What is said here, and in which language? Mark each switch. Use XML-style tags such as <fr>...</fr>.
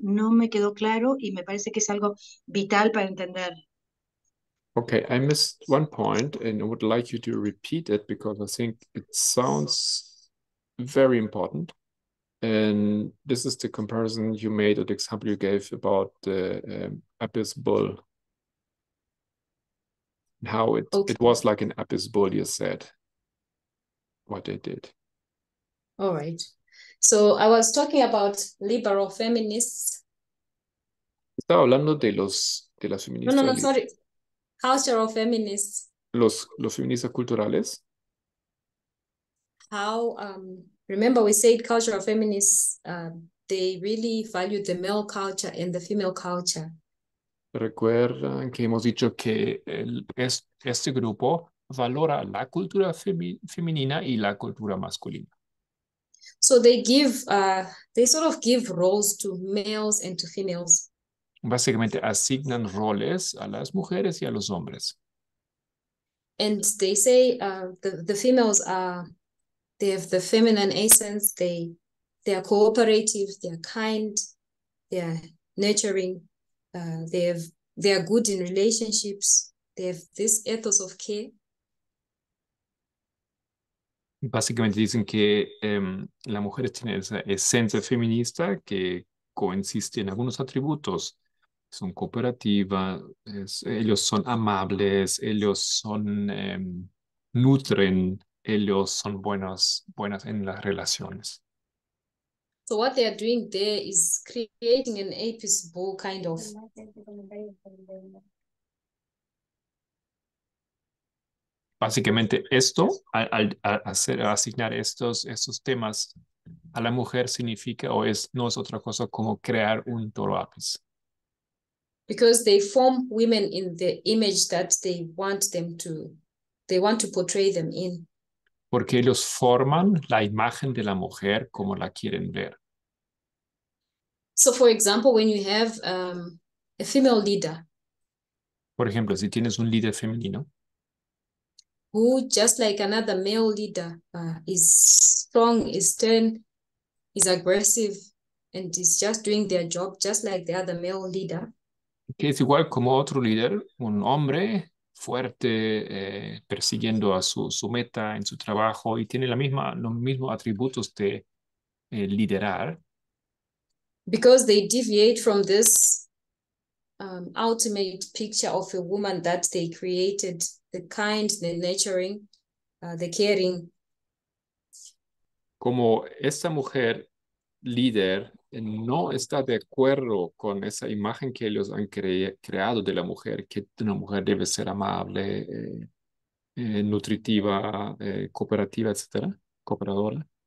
<es>No me quedó claro y me parece que es algo vital para entender.</es> <en>Okay, I missed one point and would like you to repeat it because I think it sounds very important. And this is the comparison you made, or the example you gave about the Apis bull. How it was like an Apis bull, you said, what they did. All right. So I was talking about liberal feminists.</en> <es>Estaba hablando de las feministas.</es> <en>No, sorry. Cultural feminists.</en> <es>Los feministas culturales.</es> <en>How, remember we said cultural feminists, they really value the male culture and the female culture.</en> <es>Recuerdan que hemos dicho que este grupo valora la cultura femenina y la cultura masculina.</es> <en>So they give, they sort of give roles to males and to females.</en> <es>Básicamente asignan roles a las mujeres y a los hombres.</es> <en>And they say the females are, they have the feminine essence, they are cooperative, they are kind, they are nurturing, they are good in relationships, they have this ethos of care.</en> <es>Básicamente dicen que la mujer tiene esa esencia feminista que consiste en algunos atributos. Son cooperativas, ellos son amables, ellos son nutren, ellos son buenas en las relaciones.</es> <en>So what they are doing there is creating an Apis bull kind of.</en> <es>Básicamente esto, al hacer asignar estos temas a la mujer significa o es no es otra cosa como crear un toro Apis.</es> <en>Because they form women in the image that they want them to, they want to portray them in.</en> <es>Porque ellos forman la imagen de la mujer como la quieren ver.</es> <en>So for example, when you have a female leader.</en> <es>Por ejemplo, si tienes un líder femenino.</es> <en>Who, just like another male leader, is strong, is stern, is aggressive, and is just doing their job just like the other male leader.</en> <es>Que es igual como otro líder, un hombre fuerte, persiguiendo a su meta en su trabajo y tiene los mismos atributos de liderar.</es> <en>Because they deviate from this ultimate picture of a woman that they created, the kind, the nurturing, the caring.</en> <es>Como esta mujer líder no está de acuerdo con esa imagen que ellos han creado de la mujer, que una mujer debe ser amable, nutritiva, cooperativa, etcétera, cooperadora.</es>